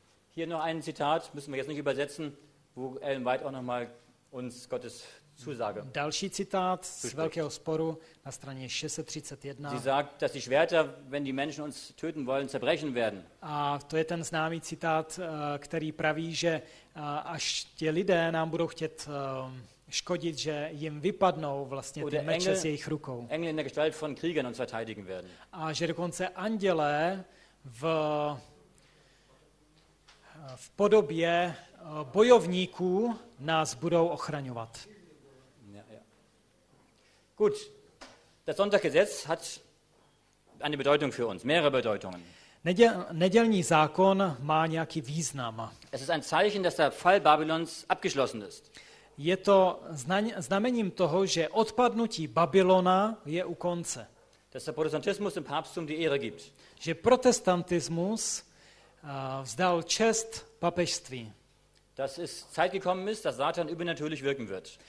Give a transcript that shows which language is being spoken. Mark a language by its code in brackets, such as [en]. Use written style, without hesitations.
[de] Hier noch ein Zitat, müssen wir jetzt nicht übersetzen, wo Ellen White auch nochmal uns Gottes Zusage. [cs] Další citát z Velkého sporu na straně 631. [de] Sie sagt, dass die Schwerter, wenn die Menschen uns töten wollen, zerbrechen werden. [cs] A to je ten známý citát, který praví, že až ti lidé nám budou chtět škodit, že jim vypadnou vlastně ty meče z jejich rukou. [de] Engel in der Gestalt von Kriegern uns verteidigen werden. [cs] A že dokonce andělé v podobě bojovníků nás budou ochraňovat. [de] Gut. Das Sonntagsgesetz hat eine Bedeutung für uns, mehrere Bedeutungen. [cs] Nedělní zákon má nějaký význam. [de] Es ist ein Zeichen, dass der Fall Babylons abgeschlossen ist. [cs] Je to znamením toho, že odpadnutí Babylona je u konce. [de] Dass der Protestantismus dem Papsttum die Ehre gibt. [cs] Že protestantismus vzdal čest papežství. [de] Dass es Zeit gekommen ist, dass Satan übernatürlich wirken wird.